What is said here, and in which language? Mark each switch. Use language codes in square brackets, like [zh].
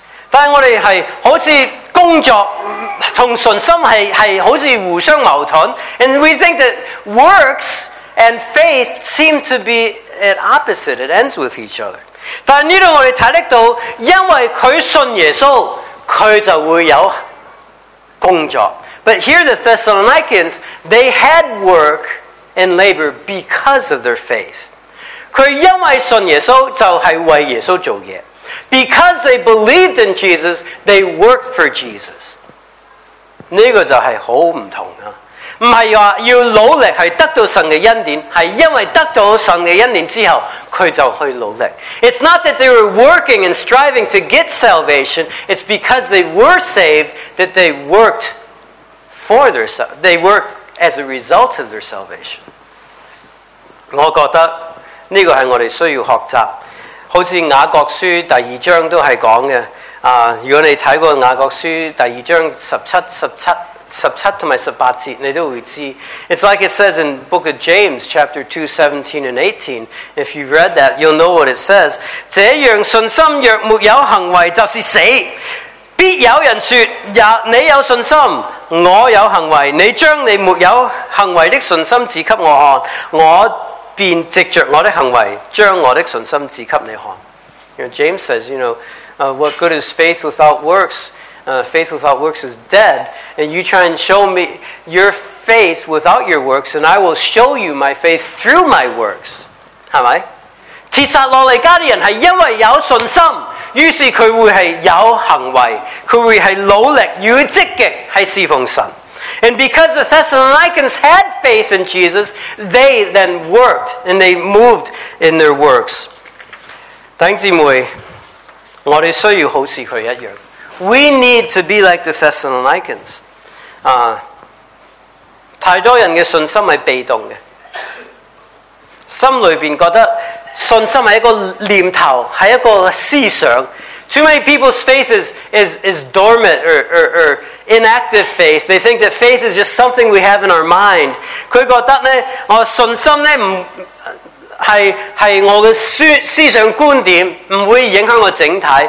[zh] 但我们是好像工作和信心 是好像互相矛盾。 [en] And we think that works and faith seem to be at opposite. It ends with each other. [zh] 但这里我们看到，因为他信耶稣，他就会有工作。 [en] But here the Thessalonians, they had work and labor because of their faith. [zh] 他因为信耶稣就是为耶稣做的。 [en] Because they believed in Jesus, they worked for Jesus. [zh] 这个就是很不同的。不是说要努力是得到神的恩典，是因为得到神的恩典之后他就去努力。 [en] It's not that they were working and striving to get salvation, it's because they were saved that they worked for their, they worked as a result of their salvation. [zh] 我觉得这个是我们需要学习，好像雅各书第二章都是讲的。如果你看过雅各书第二章十七和十八节，你都会知。 [en] It's like it says in book of James, chapter 2, 17 and 18. If you've read that, you'll know what it says. [zh] 这样信心若没有行为就是死。必有人说，你有信心，我有行为，你将你没有行为的信心指给我看，我便藉着我的行为将我的信心指给你看。 [en] You know, James says, you know, what good is faith without works? Faith without works is dead. And you try and show me your faith without your works, and I will show you my faith through my works. [zh] 是吧？帖撒罗尼迦的人是因为有信心，于是他会是有行为，他会是努力，会积极是侍奉神。 [en] And because the Thessalonians had faith in Jesus, they then worked and they moved in their works. [zh] 弟兄姊妹，我们需要好似他一样。 [en] We need to be like the Thessalonians. [zh] 太多人的信心是被动的，心里面觉得信心是一个念头，是一个思想。 [en] Too many people's faith is dormant or inactive faith. They think that faith is just something we have in our mind. [zh] 他觉得呢，我信心呢，是我的思想观点，不会影响我整体。